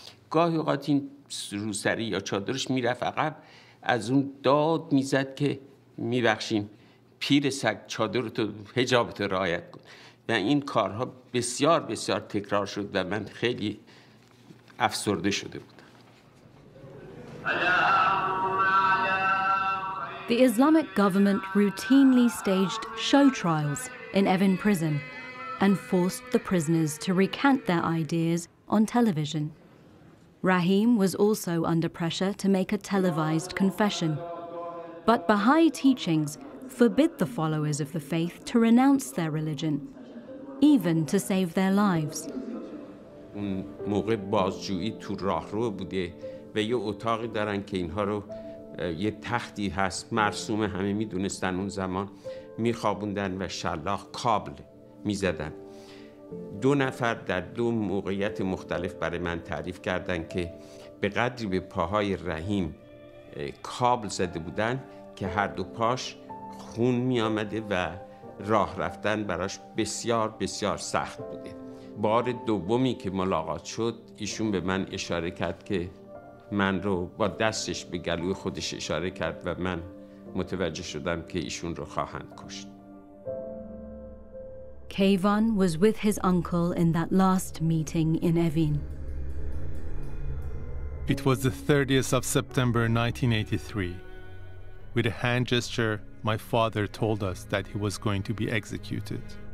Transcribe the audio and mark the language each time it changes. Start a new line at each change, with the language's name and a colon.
Persian: گاهی اوقات این روسری یا چادرش میرفت عقب، از اون داد میزد که میبخشیم پیر سگ چادرتو، حجابتو رعایت کن. و این کارها بسیار بسیار تکرار شد و من خیلی افسرده شده بودم.
English: The Islamic government routinely staged show trials in Evin prison and forced the prisoners to recant their ideas on television. Rahim was also under pressure to make a televised confession. But Baha'i teachings forbid the followers of the faith to renounce their religion, even to save their lives.
Persian: اون موقع بازجویی تو راهرو بوده و یه اتاقی دارن که اینها رو، یه تختی هست مرسوم، همه میدونستن اون زمان، میخوابوندن و شلاق کابل میزدن. 2 نفر در 2 موقعیت مختلف برای من تعریف کردن که به قدری به پاهای رحیم کابل زده بودن که هر 2 پاش خون میامده و راه رفتن براش بسیار بسیار سخت بوده. بار دومی که ملاقات شد، ایشون به من اشاره کرد که من رو با دستش به گلوی خودش اشاره کرد و من متوجه شدم که ایشون رو خواهند کشت.
English: Kayvon was with his uncle in that last meeting in Evin. It was the 30th of September 1983. With a hand gesture, my father told us that he was going to be executed.